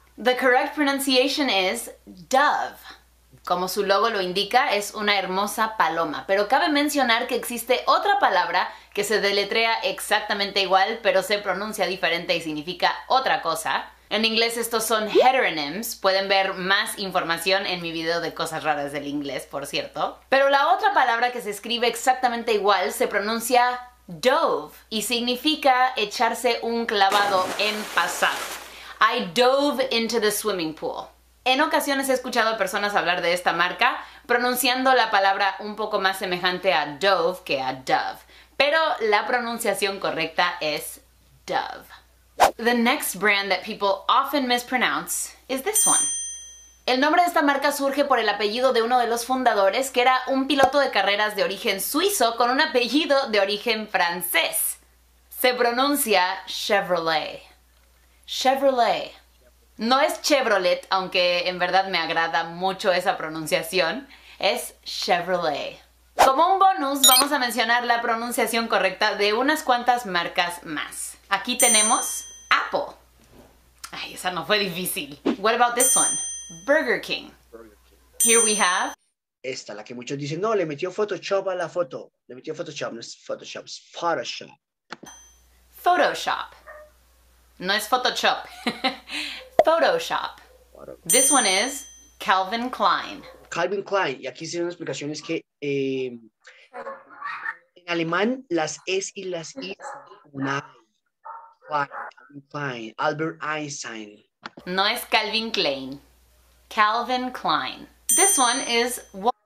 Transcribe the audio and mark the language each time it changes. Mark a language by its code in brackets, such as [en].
[en] The correct pronunciation is Dove. [es] Como su logo lo indica, es una hermosa paloma. Pero cabe mencionar que existe otra palabra que se deletrea exactamente igual, pero se pronuncia diferente y significa otra cosa. En inglés estos son heteronyms. Pueden ver más información en mi video de cosas raras del inglés, por cierto. Pero la otra palabra que se escribe exactamente igual se pronuncia dove y significa echarse un clavado en pasado. [en] I dove into the swimming pool. [es] En ocasiones he escuchado a personas hablar de esta marca pronunciando la palabra un poco más semejante a dove que a dove. Pero la pronunciación correcta es dove. [en] The next brand that people often mispronounce is this one. [es] El nombre de esta marca surge por el apellido de uno de los fundadores, que era un piloto de carreras de origen suizo con un apellido de origen francés. Se pronuncia Chevrolet. Chevrolet. No es Chevrolet, aunque en verdad me agrada mucho esa pronunciación. Es Chevrolet. Como un bonus, vamos a mencionar la pronunciación correcta de unas cuantas marcas más. Aquí tenemos Apple. Ay, esa no fue difícil. [en] What about this one? Burger King. Here we have... [es] Esta, la que muchos dicen, no, le metió Photoshop a la foto. Le metió Photoshop, no es Photoshop, es Photoshop. Photoshop. No es Photoshop. Photoshop. [en] This one is Calvin Klein. Calvin Klein. [es] Y aquí hicieron explicaciones que en alemán las S y las I son una... Klein, Albert Einstein. No es Calvin Klein. Calvin Klein. [en] This one is what.